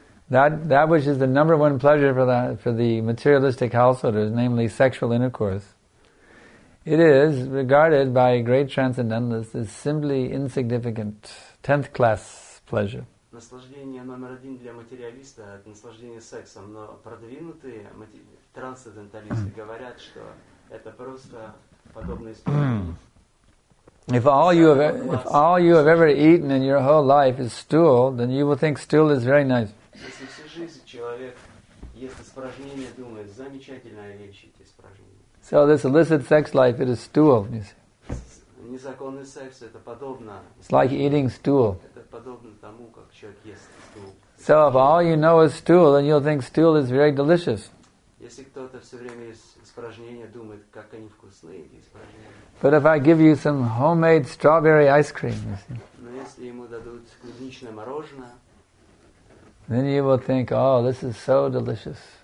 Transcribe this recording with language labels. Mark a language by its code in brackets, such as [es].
[en] That which is the number one pleasure for the materialistic householders, namely sexual intercourse, it is regarded by great transcendentalists as simply insignificant, 10th class pleasure. [ru] Наслаждение номер один для материалиста – это наслаждение сексом, но продвинутые трансценденталисты говорят, что это просто подобное испытание. [en] If all you have ever eaten in your whole life is stool, then you will think stool is very nice. [ru] Если всю жизнь человек ест испражнения, думает, замечательная вещь эти испражнения. [en] So this illicit sex life, it is stool, you see. [ru] Незаконный секс – это подобно… [en] It's like eating stool. [ru] Это подобно тому, как человек ест стул. [en] So if all you know is stool, then you'll think stool is very delicious. [ru] Если кто-то все время ест испражнения, думает, как они вкусные, эти испражнения. [en] But if I give you some homemade strawberry ice cream, you see. [ru] Но если ему дадут клубничное мороженое… [en] Then you will think, oh, this is so delicious.